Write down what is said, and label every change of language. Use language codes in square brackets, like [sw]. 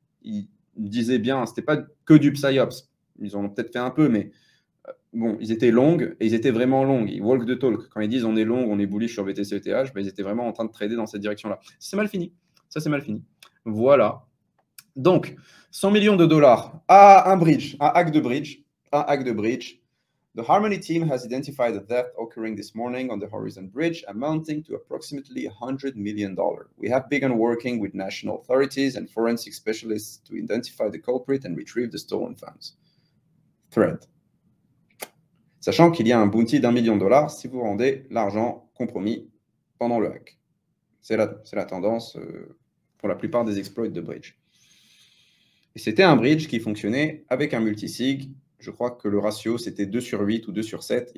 [fr] Ils disaient bien, c'était pas que du psyops. Ils en ont peut-être fait un peu, mais bon, ils étaient longs et ils étaient vraiment longs. Ils [en] walk the talk. [fr] Quand ils disent on est long, on est bullish sur BTC ETH, ben ils étaient vraiment en train de trader dans cette direction-là. C'est mal fini. Ça, c'est mal fini. Voilà. Donc, 100 millions de dollars à un bridge, un hack de bridge, un hack de bridge. [en] The Harmony team has identified the theft occurring this morning on the Horizon Bridge, amounting to approximately $100 million. We have begun working with national authorities and forensic specialists to identify the culprit and retrieve the stolen funds. Thread. [fr] Sachant qu'il y a un bounty d'un million de dollars si vous rendez l'argent compromis pendant le hack. C'est la tendance pour la plupart des exploits de bridge. Et c'était un bridge qui fonctionnait avec un multisig. Je crois que le ratio, c'était 2 sur 8 ou 2 sur 7.